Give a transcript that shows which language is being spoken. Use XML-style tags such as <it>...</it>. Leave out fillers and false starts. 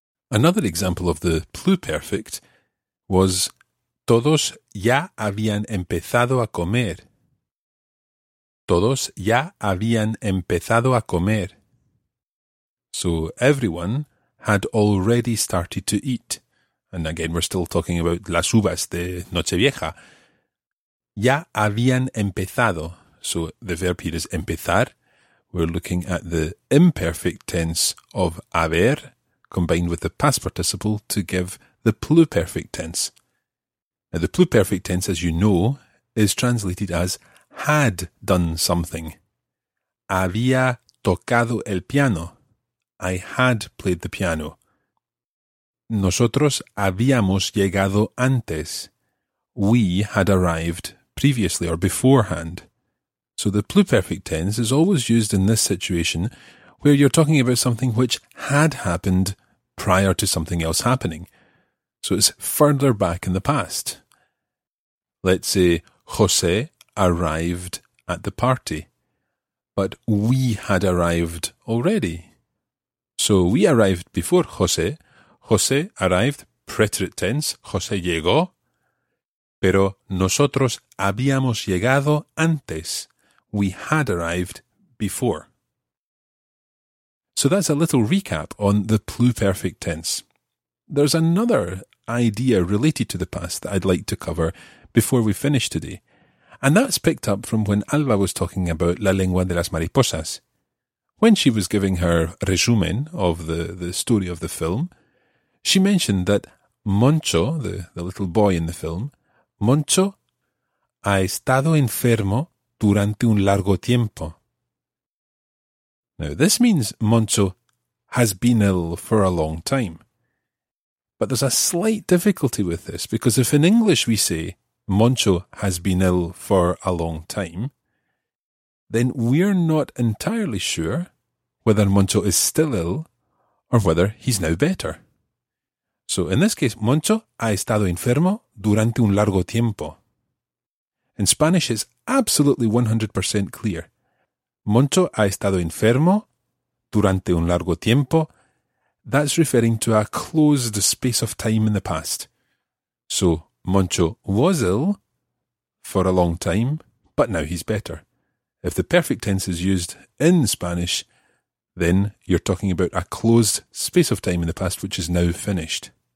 <en>Another example of the pluperfect was,</en> <es>todos ya habían empezado a comer. Todos ya habían empezado a comer.</es> <en>So everyone had already started to eat. And again, we're still talking about</en> <es>las uvas de Nochevieja. Ya habían empezado.</es> <en>So the verb here is empezar. We're looking at the imperfect tense of haber combined with the past participle to give the pluperfect tense. Now, the pluperfect tense, as you know, is translated as had done something.</en> <es>Había tocado el piano.</es> <en>I had played the piano.</en> <es>Nosotros habíamos llegado antes.</es> <en>We had arrived previously or beforehand. So the pluperfect tense is always used in this situation where you're talking about something which had happened prior to something else happening. So it's further back in the past. Let's say José arrived at the party, but we had arrived already. So we arrived before José. José arrived, preterite tense,</en> <es>José llegó, pero nosotros habíamos llegado antes.</es> <en>We had arrived before. So that's a little recap on the pluperfect tense. There's another idea related to the past that I'd like to cover before we finish today. And that's picked up from when Alba was talking about</en> <es>la lengua de las mariposas.</es> <en>When she was giving her resumen of the story of the film, she mentioned that Moncho, the little boy in the film,</en> <es>Moncho ha estado enfermo durante un largo tiempo.</es> <en>Now, this means Moncho has been ill for a long time. But there's a slight difficulty with this, because if in English we say Moncho has been ill for a long time, then we're not entirely sure whether Moncho is still ill or whether he's now better. So in this case,</en> <es>Moncho ha estado enfermo durante un largo tiempo.</es> <en>In Spanish, it's absolutely 100% clear.</en> <es>Moncho ha estado enfermo durante un largo tiempo.</es> <en>That's referring to a closed space of time in the past. So Moncho was ill for a long time, but now he's better. If the perfect tense is used in Spanish, then you're talking about a closed space of time in the past, which is now finished.</en>